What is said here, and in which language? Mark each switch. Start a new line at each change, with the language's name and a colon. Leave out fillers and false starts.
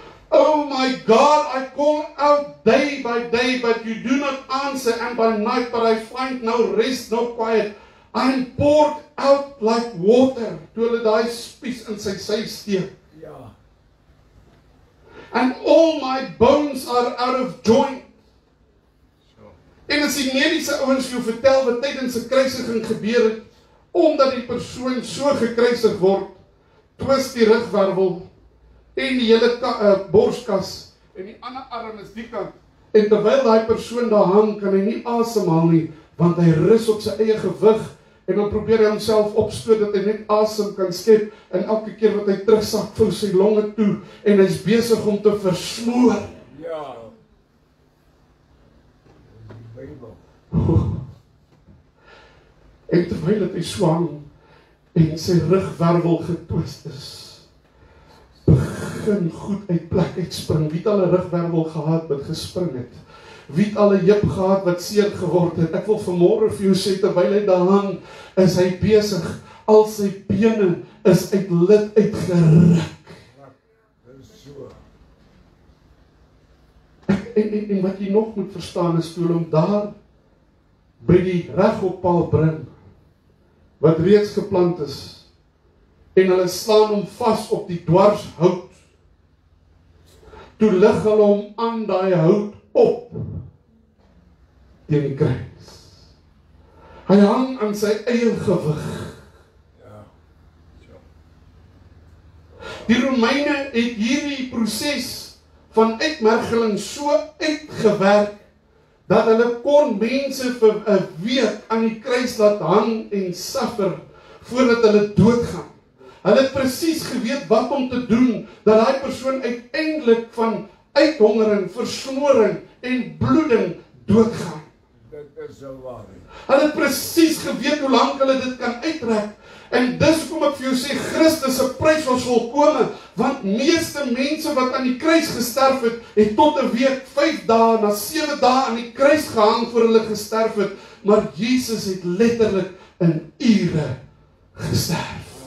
English: Oh my God, I call out day by day, but you do not answer, and by night, but I find no rest, no quiet. and poured out like water to
Afrikaans: hulle daai spies in sy sy steek. Ja.
English: And all my bones are out of joint.
Afrikaans: So. En as die mediese ouens vir jou vertel wat tydens 'n kruisiging gebeur het, omdat die persoon so gekruisig word, twis die rugwervel en die hele borskas en die ander arm is die kant. En terwyl daai persoon daar hang, kan hy nie asemhaal nie, want hy rus op sy eie gewig en dan probeer hy homself opstoot dat hy net asem kan skep en elke keer wat hy terugsak vir sy longe toe en hy's besig om te versmoor. Ja. En terwyl dat hy swang en sy rugwervel getwist is, begin goed uit plek uitspring. Wie het al 'n rugwervel gehad wat gespring het? Wie het al 'n heup gehad wat seer geword het? Ek wil vanmôre vir jou sê, terwyl hy daar hang, is hy besig. Al sy bene is uit lid uitgeruk. En wat jy nog moet verstaan is, toe hom daar by die regoppaal bring, wat reeds geplant is, en hulle slaan hom vas op die dwarshout, toe lig hulle hom aan daai hout op teen die kruis. Hy hang aan sy eie gewig. Die Romeine het hierdie proses van uitmergeling so uitgewerk dat hulle kon mense vir 'n week aan die kruis laat hang en suffer voordat hulle doodgaan. Hulle het presies geweet wat om te doen, dat daai persoon uiteindelik van uithongering, versmoring en bloeding doodgaan. Dit is so waar. Hulle het presies geweet hoe lank hulle dit kan uitrek. En dis kom ek vir jou sê, Christus se prys was volkome, want meeste mense wat aan die kruis gesterf het, het tot 'n week, 5 dae na 7 dae aan die kruis gehang voor hulle gesterf het, maar Jesus het letterlik in ure gesterf.